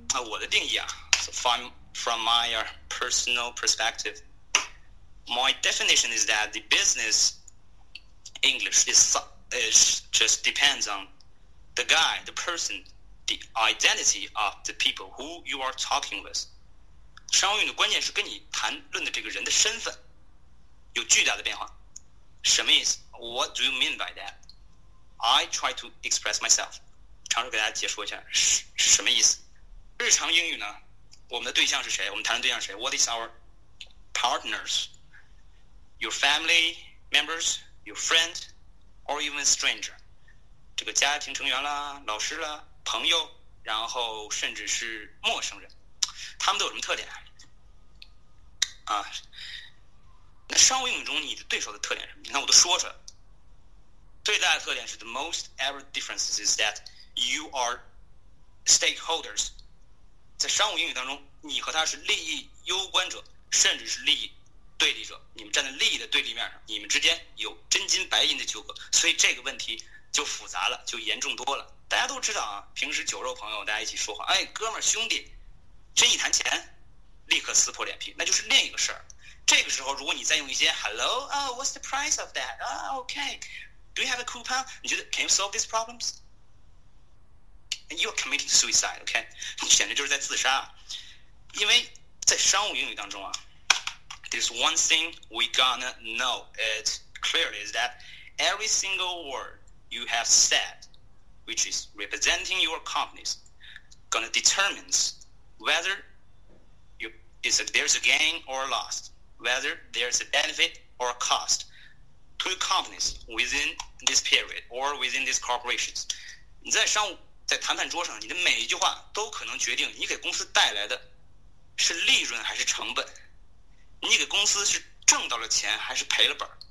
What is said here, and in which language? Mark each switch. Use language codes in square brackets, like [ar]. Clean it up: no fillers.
[zh] 我的定义啊， [en] from my personal perspective，my definition is that the business English is just depends on the guy, the person, the identity of the people who you are talking with。 [zh] 商务英语的关键是跟你谈论的这个人的身份有巨大的变化。什么意思？ [en] What do you mean by that? I try to express myself， [zh] 尝试给大家解说一下什么意思。日常英语呢，我们的对象是谁？我们谈的对象是谁？ [en] What is our partners? Your family members, your friends, or even stranger？ [zh] 这个家庭成员啦、老师啦、朋友，然后甚至是陌生人，他们都有什么特点啊？那商务英语中，你的对手的特点是什么？那我都说出来了。最大的特点是 [en] the most ever differences is that you are stakeholders。 [zh] 在商务英语当中，你和他是利益攸关者，甚至是利益对立者，你们站在利益的对立面上，你们之间有真金白银的纠葛，所以这个问题就复杂了，就严重多了。大家都知道啊，平时酒肉朋友大家一起说话，哎，哥们儿兄弟，真一谈钱，立刻撕破脸皮，那就是另一个事儿。这个时候，如果你再用一些 [en] Hello, oh, what's the price of that? Oh, okay, do you have a coupon? [zh] 你觉得 [en] can you solve these problems? You're committing suicide, okay? [zh] 你简直就是在自杀。因为在商务英语当中啊 [en] ，there's one thing we gonna know it clearly is that every single word you have said. Which is representing your companies, gonna determine whether there's a gain or a loss, whether there's a benefit or a cost to companies within this period or within these corporations. [zh] 你在商务在谈判桌上，你的每一句话都可能决定你给公司带来的是利润还是成本，你给公司是挣到了钱还是赔了本。